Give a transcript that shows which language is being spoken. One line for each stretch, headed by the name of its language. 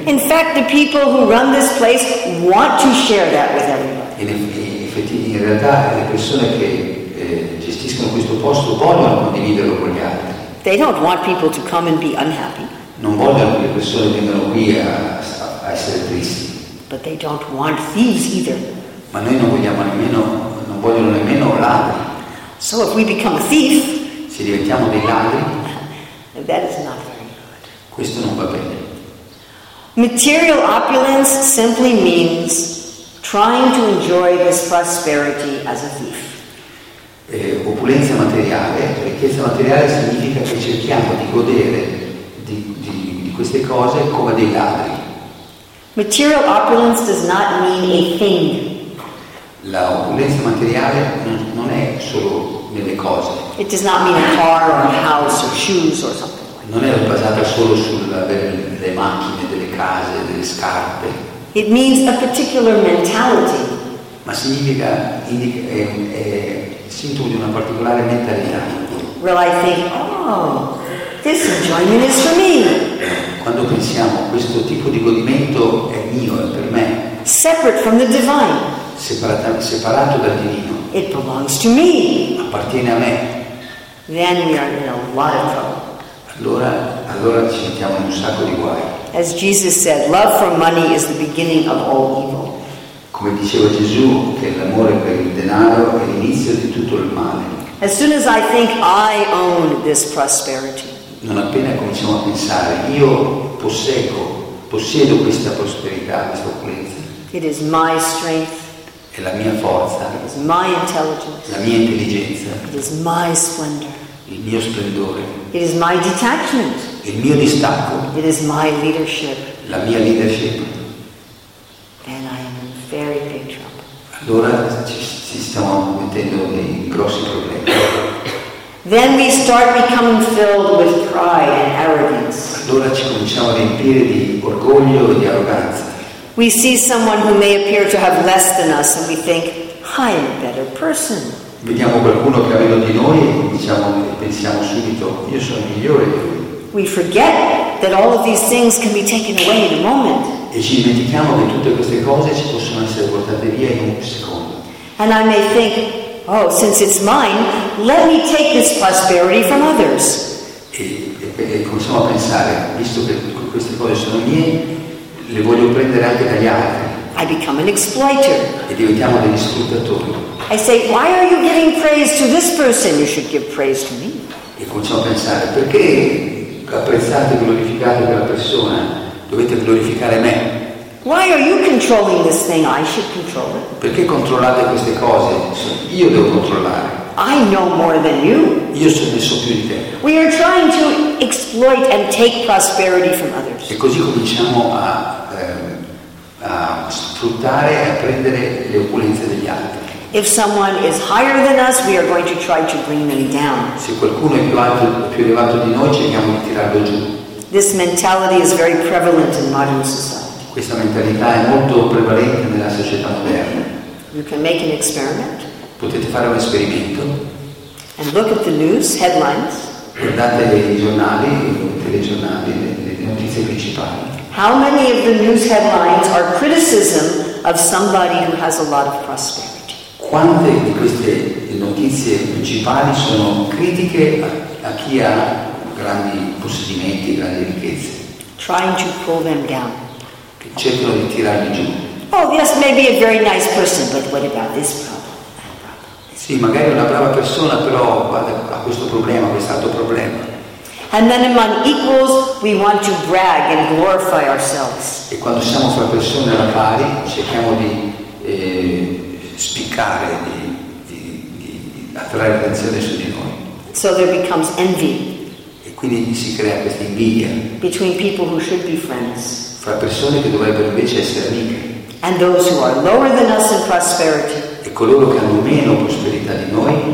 English: In fact, the people who run this place want to share that with everybody.
Italian: In realtà, le persone che gestiscono questo posto vogliono condividerlo con gli altri.
English: They don't want people to come and be unhappy.
Italian: Non vogliono che le persone vengano qui a essere tristi.
English: But they don't want thieves either.
Italian: Ma noi non vogliamo nemmeno, non vogliono nemmeno ladri.
English: So if we become a thief,
Italian: se diventiamo dei ladri,
English: that is not very good.
Italian: Questo non va bene.
English: Material opulence simply means trying to enjoy this prosperity as a thief.
Italian: Opulenza materiale, ricchezza materiale significa che cerchiamo di godere di queste cose come dei ladri.
English: Material opulence does not mean a thing.
Italian: La opulenza materiale non è solo nelle cose.
English: It does not mean a car or a house or shoes or something.
Italian: Non è basata solo sull'avere delle macchine, delle case, delle scarpe.
English: It means a particular mentality.
Italian: Ma significa è sintomo di una particolare mentalità.
English: Well, I think, oh, this enjoyment is for me.
Italian: Quando pensiamo questo tipo di godimento è mio, è per me.
English: Separate from the divine.
Italian: Separato dal divino.
English: It belongs to me.
Italian: Appartiene a me.
English: Then we are in a lot of trouble.
Italian: Allora ci mettiamo in un sacco di guai.
English: As Jesus said, love for money is the beginning of all evil.
Italian: Come diceva Gesù, che l'amore per il denaro è l'inizio di tutto il male.
English: As soon as I think I own this prosperity.
Italian: Non appena cominciamo a pensare, io possiedo questa prosperità, questa opulenza.
English: It is my strength.
Italian: È la mia forza.
English: It is my intelligence.
Italian: La mia intelligenza.
English: It is my splendor.
Italian: Il mio splendore.
English: It is my detachment.
Italian: Il mio distacco.
English: It is my leadership.
Italian: La mia leadership.
English: And I am in very big trouble.
Italian: Allora ci stiamo mettendo nei grossi problemi.
English: Then we start becoming filled with pride and arrogance.
Italian: Allora ci cominciamo a riempire di orgoglio e di arroganza.
English: We see someone who may appear to have less than us and we think, I am a better person.
Italian: Vediamo qualcuno che ha meno di noi e pensiamo subito, io sono migliore di lui.
English: We forget that all of these things can be taken away in a moment.
Italian: E ci dimentichiamo che tutte queste cose ci possono essere portate via in un secondo.
English: And I may think, oh, since it's mine, let me take this prosperity from others.
Italian: E cominciamo a pensare, visto che queste cose sono mie, le voglio prendere anche dagli altri.
English: I become an exploiter.
Italian: E diventiamo degli sfruttatori.
English: I say, why are you giving praise to this person? You should give praise to me.
Italian: E cominciamo a pensare, perché apprezzate e glorificate quella persona? Dovete glorificare me.
English: Why are you controlling this thing? I should control it.
Italian: Perché controllate queste cose? Io devo controllare.
English: I know more than you.
Italian: Io so, ne so più di te.
English: We are trying to exploit and take prosperity from others.
Italian: E così cominciamo a a sfruttare e a prendere le opulenze degli altri.
English: If someone is higher than us, we are going to try to bring them down.
Italian: Se qualcuno è più elevato di noi, cerchiamo di tirarlo giù.
English: This mentality is very prevalent in modern society.
Italian: Questa mentalità è molto prevalente nella società moderna.
English: You can make an experiment.
Italian: Potete fare un esperimento.
English: And look at the news headlines.
Italian: Guardate i giornali, i telegiornali, le notizie principali.
English: How many of the news headlines are criticism of somebody who has a lot of prosperity?
Italian: Quante di queste notizie principali sono critiche a chi ha grandi possedimenti, grandi ricchezze?
English: Trying to pull them down.
Italian: Che cercano di tirarli giù.
English: Oh, yes, maybe a very nice person, but what about this problem?
Italian: Sì, magari è una brava persona, però ha questo problema, quest'altro problema.
English: And then among equals, we want to brag and glorify ourselves.
Italian: E quando siamo fra persone alla pari, cerchiamo di spiccare, di attrarre l'attenzione su di noi.
English: So there becomes envy.
Italian: E quindi si crea questa invidia.
English: Between people who should be friends.
Italian: Fra persone che dovrebbero invece essere amiche.
English: And those who are lower than us in prosperity.
Italian: E coloro che hanno meno prosperità di noi.